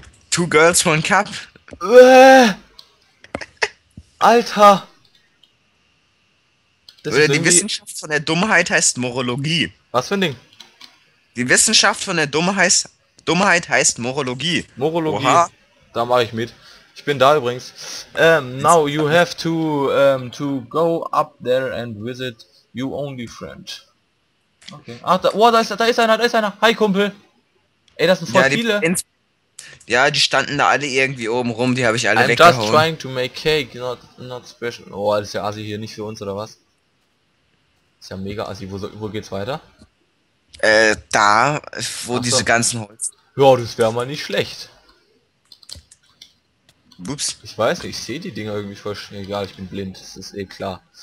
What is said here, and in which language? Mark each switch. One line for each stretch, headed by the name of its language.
English: Two Girls, One Cup. Alter.
German: Das oder die Wissenschaft von der Dummheit heißt Morologie. Was für ein Ding? Die Wissenschaft von der Dummheit heißt Morologie. Morologie. Oha. Da mache ich mit. Ich bin da übrigens.
English: Now you have to go up there and visit you only friend.
German: Okay. Ach, da ist einer. Hi, Kumpel. Ey, das sind voll viele. Ja, die standen da alle irgendwie oben rum. Die habe ich alle weggehauen.
English: I'm just trying to make cake, not special.
German: Oh, das ist ja assi hier, nicht für uns, oder was? Ist ja mega assi. Wo geht's weiter? Da, wo ach diese so ganzen Holz. Ja, das wäre mal nicht schlecht. Ups. Ich weiß nicht, ich sehe die Dinger irgendwie voll schnell. Egal, ich bin blind, das ist eh klar.